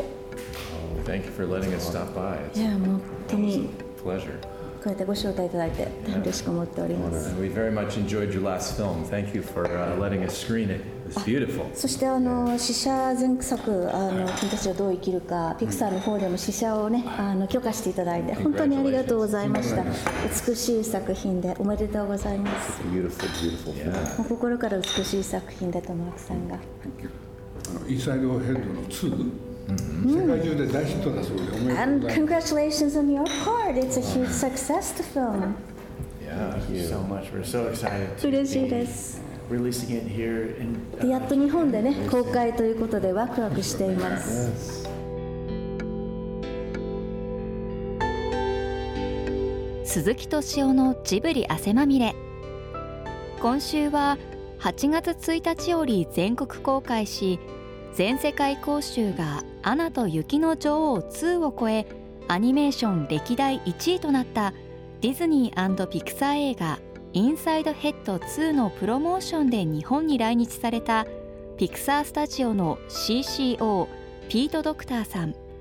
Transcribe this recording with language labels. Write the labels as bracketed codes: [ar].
[en] Oh, thank you for letting us stop by. It's a pleasure. [ja] こうやってご招待いただいて嬉しく思っております。 [en] We very much enjoyed your last film. Thank you for letting us screen it. It's beautiful. [ja] そして試写前作君たちはどう生きるかピクサーの方でも試写をね許可していただいて本当にありがとうございました。美しい作品でおめでとうございます。 [en] Beautiful, beautiful. [ja] もう心から美しい作品だとマークさんが。インサイドヘッドの2。 [en] And congratulations on your part. It's a huge success, the film. Yeah, thank you so much. We're so excited to be releasing it here in. [ja] やっと日本でね公開ということでワクワクしています。鈴木敏夫のジブリ汗まみれ。今週は8月1日より全国公開し、全世界興収がアナと雪の女王2を超えアニメーション歴代1位となったディズニー&ピクサー映画インサイドヘッド2のプロモーションで日本に来日されたピクサースタジオの CCO ピート・ドクターさん、